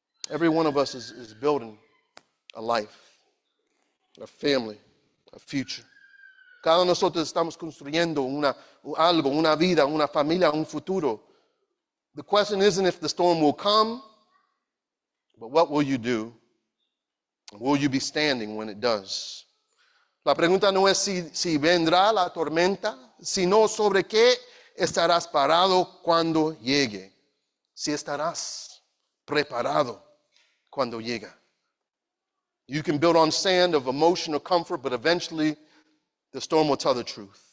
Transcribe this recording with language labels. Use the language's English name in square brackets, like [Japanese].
[English] Every one of us is building a life, a family, a future. [Spanish] Cada nosotros estamos construyendo una algo, una vida, una familia, un futuro. [English] The question isn't if the storm will come, but what will you do? Will you be standing when it does? [Spanish] La pregunta no es si vendrá la tormenta, sino sobre qué estarás parado cuando llegue. Si estarás preparado cuando llega. [English] You can build on sand of emotional comfort, but eventually the storm will tell the truth.